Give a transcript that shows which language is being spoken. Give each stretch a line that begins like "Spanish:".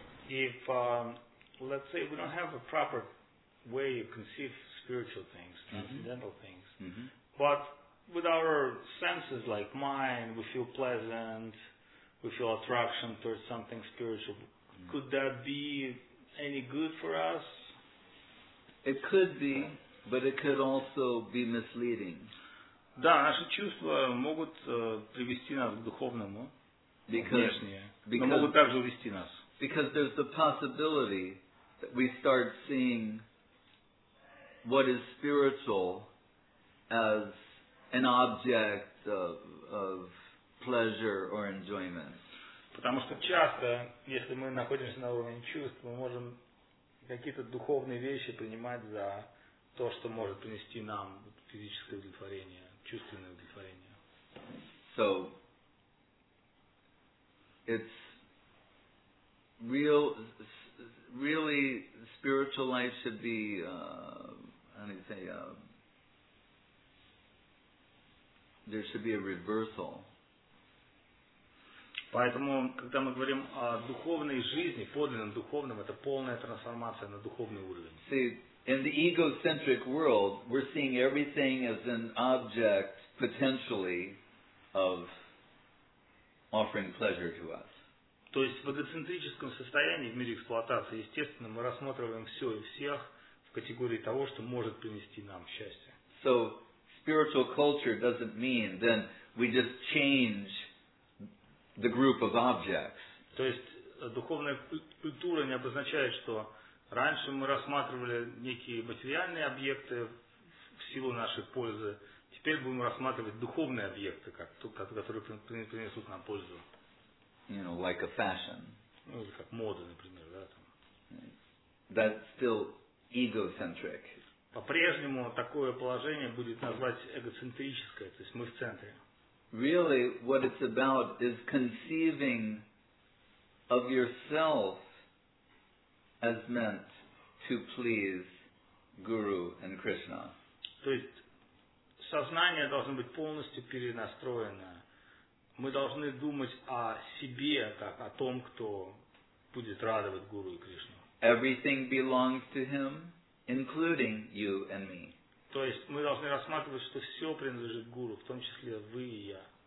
English: If let's say we don't have a proper way to conceive spiritual things, transcendental things, but with our senses like mind, we feel pleasant. We feel attraction towards something spiritual. Could that be any good for us? It could be, but it could also be misleading.
Russian: Да, наши чувства могут привести нас к духовному, внешнее, но могут также увести нас.
English: Because there's the possibility that we start seeing what is spiritual as an object of pleasure or enjoyment.
Russian: Потому что часто, если мы находимся на уровне чувств, мы можем какие-то духовные вещи принимать за то, что может принести нам физическое удовлетворение, чувственное удовлетворение.
English: So, it's real, really spiritual life should be, how do you say, there should be a reversal.
Russian: Поэтому, когда мы говорим о духовной жизни, подлинном духовном, это полная трансформация на духовный уровень.
English: See, in the egocentric world, we're seeing everything as an object potentially of offering pleasure to us.
Russian: То есть в эгоцентрическом состоянии, в мире эксплуатации, естественно, мы рассматриваем все и всех в категории того, что может принести нам счастье.
English: So, spiritual culture doesn't mean then we just change the group of objects.
Russian: То есть духовная культура не обозначает, что раньше мы рассматривали некие материальные объекты в силу нашей пользы, теперь будем рассматривать духовные объекты, как которые принесут нам пользу.
English: You know, like a fashion.
Russian: Ну, как мода, например, да, там.
English: That's still egocentric.
Russian: По-прежнему такое положение будет назвать эгоцентрическое, то есть мы в центре.
English: Really, what it's about is conceiving of yourself as meant to please Guru and Krishna.
Russian: То есть сознание должно быть полностью перенастроено. Мы должны думать о себе как о том, кто будет радовать Гуру и Кришну.
English: Everything belongs to him, including you and me.
Russian: То есть мы должны рассматривать, что все принадлежит Гуру, в том числе вы и я.